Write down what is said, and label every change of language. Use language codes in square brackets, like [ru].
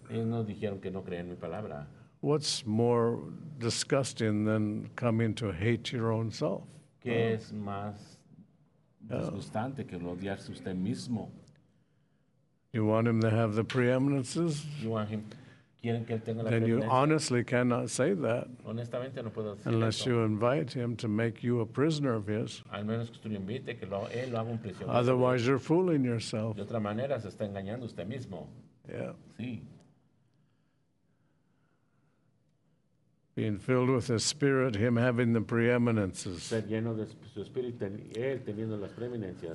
[es] Ellos no dijeron que no creían mi palabra. [en] What's more disgusting than coming to hate your own self? [es] ¿Qué es más disgustante que odiarse usted mismo? [en] You want him to have the preeminences? You want him, [es] quieren que él tenga la [en] then you honestly cannot say that [es] honestamente no puedo decir [en] unless [es] eso. [en] You invite him to make you a prisoner of his. [es] Al menos que usted lo invite, que lo, él lo haga un prisionero. [en] Otherwise you're fooling yourself. [es] De otra manera, se está engañando usted mismo. [en] Yeah. [es] Sí. [en] Being filled with his spirit, him having the preeminences. [es] Ser lleno de su espíritu, él teniendo las preeminencias.